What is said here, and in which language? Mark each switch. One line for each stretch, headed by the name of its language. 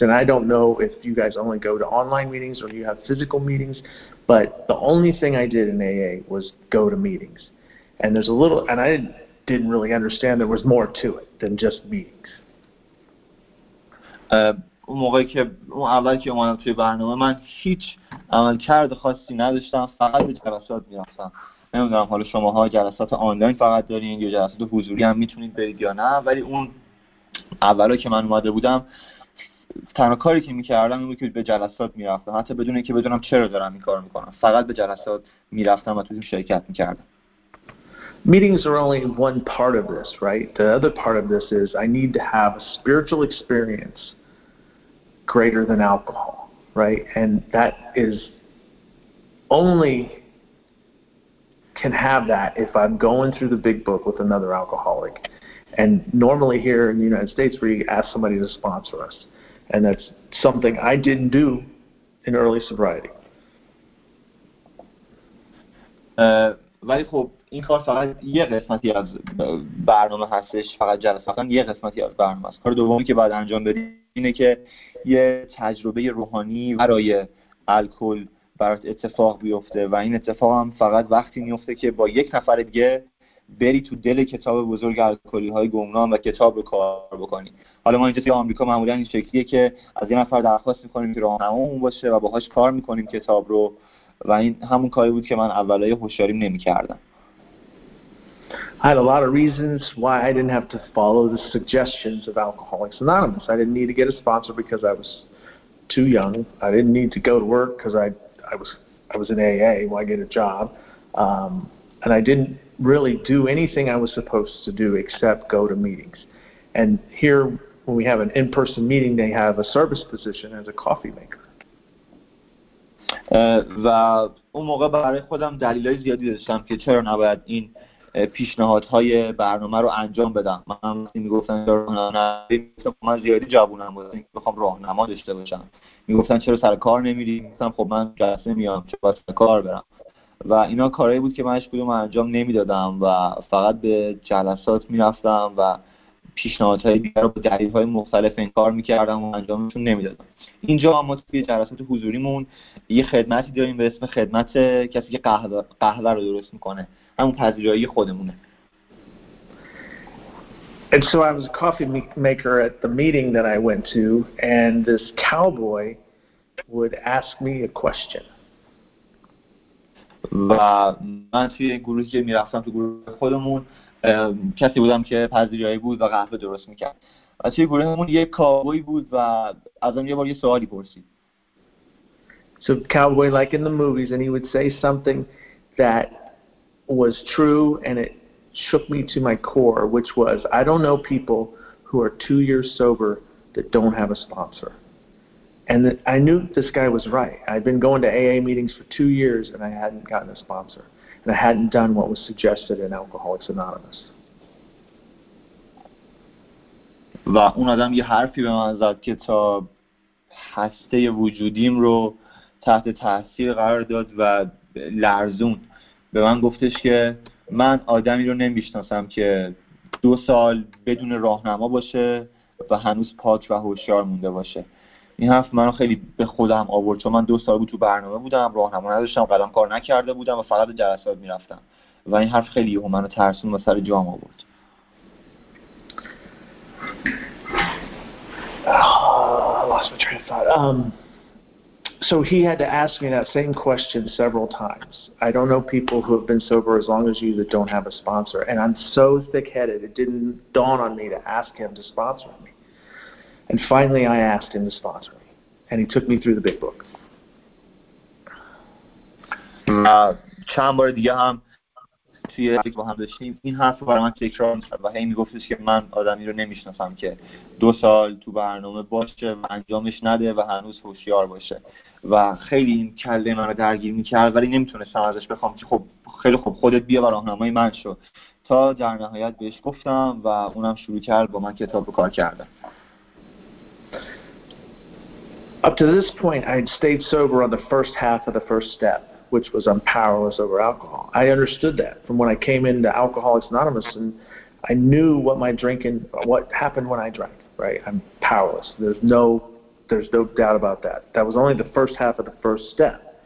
English: And I don't know if you guys only go to online meetings or you have physical meetings, but the only thing I did in AA was go to meetings. And there's a little, and I didn't didn't really understand there was more to it than just meetings.
Persian: اون موقعی که اون اول که اومدم توی برنامه من هیچ عملکرد خاصی نداشتم، فقط به جلسات می‌رفتم. نمی‌دونم حالا شماها جلسات آنلاین فقط دارین یا جلسات حضوری هم می‌تونید برید یا نه، ولی اون اولا که من اومده بودم تنها کاری که می‌کردم این بود که به جلسات می‌رفتم، حتی بدون اینکه بدونم چرا دارم این کارو می‌کنم، فقط به جلسات می‌رفتم و توشون شرکت می‌کردم.
English: Meetings are only one part of this, right? The other part of this is I need to have a spiritual experience greater than alcohol, right? And that is only can have that if I'm going through the big book with another alcoholic. And normally here in the United States, we ask somebody to sponsor us. And that's something I didn't do in early sobriety.
Persian: ولی خب این کار فقط یه قسمتی از برنامه هستش، فقط جلساتن یه قسمتی از برنامه است. کار دومی که بعد انجام بدیم اینه که یه تجربه روحانی برای الکل برات اتفاق بیفته و این اتفاق هم فقط وقتی میفته که با یک نفر دیگه بری تو دل کتاب بزرگ الکلی های گمنام و کتاب رو کار بکنی. حالا ما اینجا توی آمریکا معمولا این شکلیه که از یه نفر درخواست میکنیم که راهنمامون باشه و باهاش کار میکنیم کتاب رو، و این همون کاری بود که من اولای هوشیاری نمی کردم.
English: I had a lot of reasons why I didn't have to follow the suggestions of Alcoholics Anonymous. I didn't need to get a sponsor because I was too young. I didn't need to go to work because I was in AA. Why get a job? And I didn't really do anything I was supposed to do except go to meetings. And here, when we have an in-person meeting, they have a service position as a coffee maker.
Persian: و اون موقع برای خودم دلایل زیادی داشتم که چرا نباید این پیشنهادهای برنامه رو انجام بدم. من وقتی میگفتم من زیادی جوونم بود اینکه بخوام راهنما داشته باشم، میگفتن چرا سر کار نمیری، میگفتم خب من جلسه میام چرا سر کار برم، و اینا کارهایی بود که من هیچ کدوم انجام نمیدادم و فقط به جلسات میرفتم و پیشنهادهای دیگر رو به دلیل‌های مختلف انکار میکردم و انجامشون نمیدادم. اینجا ما توی جلسات حضوریمون یه خدمتی داریم به اسم خدمت کسی که قهوه رو درست میکنه، همون پذیرایی خودمونه.
English: And so I was a coffee maker at the meeting that I went to, and this cowboy would ask me a question.
Persian: و من توی گروهی که میرفتم، توی گروه خودمون، کسی بودم که پذیرایی بود و قهوه درست میکرد. و توی گروه همون یک کابوی بود و ازم یه بار یه سوالی پرسید.
English: So cowboy like in the movies, and he would say something that was true and it shook me to my core, which was, I don't know people who are 2 years sober that don't have a sponsor. And I knew this guy was right. I'd been going to AA meetings for 2 years and I hadn't gotten a sponsor. And I hadn't done what was suggested in Alcoholics Anonymous.
Persian: و اون آدم یه حرفی به من زد که تا هسته وجودیم رو تحت تاثیر قرار داد و لرزون. به من گفتش که من آدمی رو نمیشناسم که 2 سال بدون راهنما باشه و هنوز پاک و هوشیار مونده باشه. این حرف منو خیلی به خودم آورد، چون من 2 سال بود تو برنامه بودم، راهنما نداشتم، قدم کار نکرده بودم و فقط جلسات میرفتم، و این حرف خیلی یهو منو ترسون و سر جام آورد.
English: I lost my train of thought. So he had to ask me that same question several times. I don't know people who have been sober as long as you that don't have a sponsor. And I'm so thick-headed, it didn't dawn on me to ask him to sponsor me. And finally I asked him to sponsor me. And he took me through the big book.
Persian: چند بار دیگه هم توی یک با هم داشتیم این حرف رو برای من تکرار میکرد و هی میگفتش که من آدمی رو نمیشناسم که 2 سال تو برنامه باشه و انجامش نده و هنوز هوشیار باشه، و خیلی این کله من رو درگیر میکرد، ولی نمیتونستم ازش بخوام که خب خیلی خوب خودت بیا و راهنمای من شو. تا در نهایت بهش گفتم و اونم شروع کرد با من کتاب رو کار کردن.
English: Up to this point I had stayed sober on the first half of the first step, which was I'm powerless over alcohol. I understood that from when I came into Alcoholics Anonymous, and I knew what my drinking, what happened when I drank, right? I'm powerless. There's no doubt about that. That was only the first half of the first step.